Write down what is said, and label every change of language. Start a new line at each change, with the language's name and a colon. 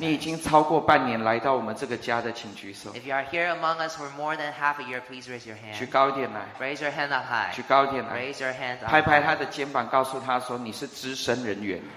Chinese: 你已经超过半年来到我们这个家的请举手
English: If you are here among us for more than half a year please raise your hand
Chinese: 举高一点来
English: Raise your hand up high
Chinese: 举高一点来
English: Raise your hand up
Chinese: 拍拍他的肩膀告诉他说你是资深人员